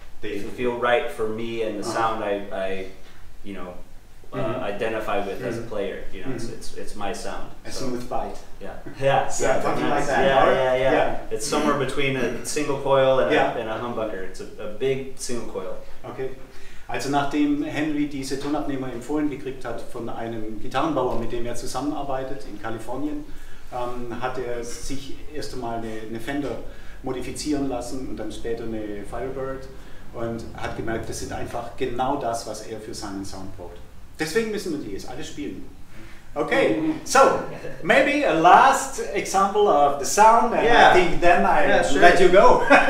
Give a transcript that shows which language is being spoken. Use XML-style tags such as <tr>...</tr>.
<en>They feel right for me and the sound I identify with as a player. You know, it's my sound. A smooth bite. Yeah. It's somewhere between a single coil and a humbucker. It's a big single coil. Okay.</en> <de>Also nachdem Henry diese Tonabnehmer empfohlen gekriegt hat von einem Gitarrenbauer, mit dem zusammenarbeitet in Kalifornien, hat sich erst einmal eine Fender modifizieren lassen und dann später eine Firebird. Und hat gemerkt, das sind einfach genau das, was für seinen Sound braucht. Deswegen müssen wir die jetzt alle spielen.</de> <en>Okay, so, maybe a last example of the sound, and I think then let you go.</en>